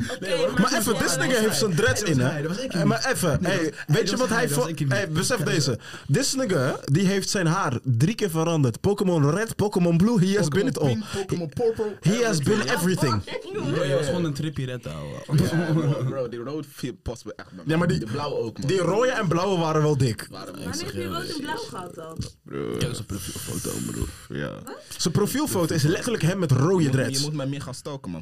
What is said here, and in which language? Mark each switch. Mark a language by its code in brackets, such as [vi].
[nl] Okay, nee, maar even, dit snigger heeft zijn dreads in, hè? Maar even, weet je wat hij voor... besef deze. Dit snigger, die heeft zijn haar 3 keer veranderd. [en] Pokémon Red, Pokémon Blue, he has been it all. Pokémon Purple. He has been everything. [nl] Bro, je was gewoon een trippy red, ouwe. Bro, die rood past me echt. Ja, maar die blauwe ook, man. Die rode en blauwe waren wel dik. Wanneer heb je rood en blauw gehad dan? Bro. Ja, zijn profielfoto, bro. Zijn profielfoto is letterlijk hem met rode dreads. Je moet mij meer gaan stalken, man.